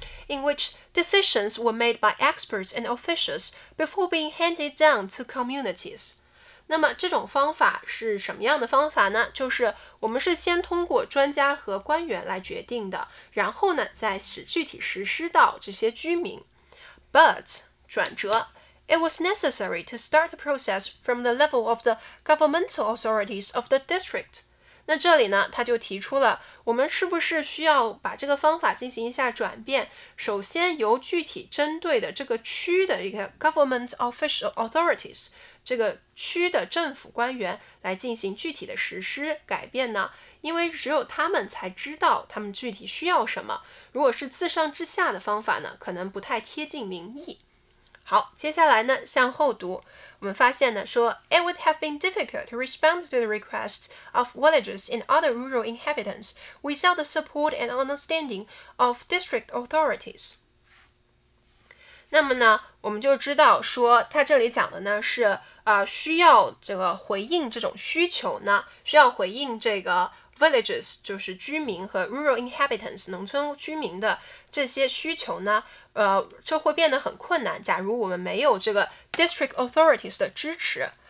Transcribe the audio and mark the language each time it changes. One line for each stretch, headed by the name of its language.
English: In which decisions were made by experts and officials before being handed down to communities。
Chinese: 那么这种方法是什么样的方法呢？就是我们是先通过专家和官员来决定的，然后呢再具体实施到这些居民。
English: But
Chinese: 转折
English: It was necessary to start the process from the level of the governmental authorities of the district。
Chinese: 那这里呢他就提出了，我们是不是需要把这个方法进行一下转变，首先由具体针对的这个区的一个 government official authorities，这个区的政府官员来进行具体的实施改变呢？因为只有他们才知道他们具体需要什么，如果是自上至下的方法呢，可能不太贴近民意。好，接下来呢向后读，我们发现呢说
English: It would have been difficult to respond to the requests of villagers and other rural inhabitants without the support and understanding of district authorities。
Chinese: 那么呢，我们就知道说他这里讲的呢是需要这个回应这种需求呢，需要回应这个 villages 就是居民和 rural inhabitants 农村居民的这些需求呢，就会变得很困难，假如我们没有这个 district authorities 的支持。